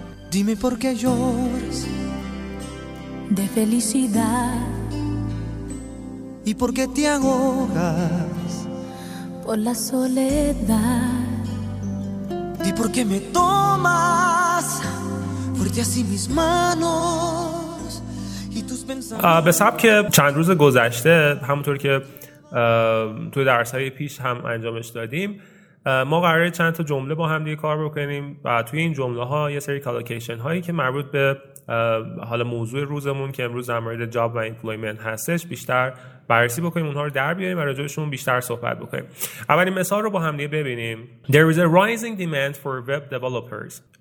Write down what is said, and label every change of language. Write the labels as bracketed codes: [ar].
[es] Dime por qué lloras de felicidad y por qué te ahogas por la soledad. Di por qué me tomas fuerte así mis manos y tus pensamientos. [fa] به سبک چند روز گذشته، همونطور که توی درس‌های پیش هم انجامش دادیم، ما قراره چند تا جمله با هم دیگه کار بکنیم و توی این جمله ها یه سری کالوکیشن هایی که مربوط به حالا موضوع روزمون که امروز در مورد جاب و ایمپلویمنت هستش بیشتر بررسی بکنیم، اونها رو در بیاریم و راجعشون بیشتر صحبت بکنیم. اولین مثال رو با هم دیگه ببینیم. [en] There is a rising demand for web developers.